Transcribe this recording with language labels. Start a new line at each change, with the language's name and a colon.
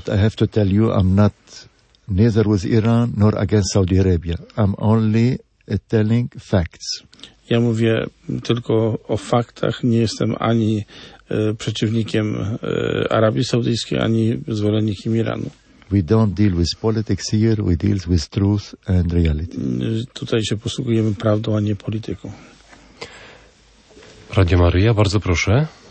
English: But I have to tell you, I'm not neither with Iran nor against Saudi Arabia. I'm only telling facts.
Polish: Ja mówię tylko o faktach, nie jestem ani przeciwnikiem Arabii Saudyjskiej, ani zwolennikiem Iranu.
English: We don't deal with politics here, we deal with truth and reality.
Polish: Tutaj się posługujemy prawdą, a nie polityką. Radio Maryja, bardzo proszę.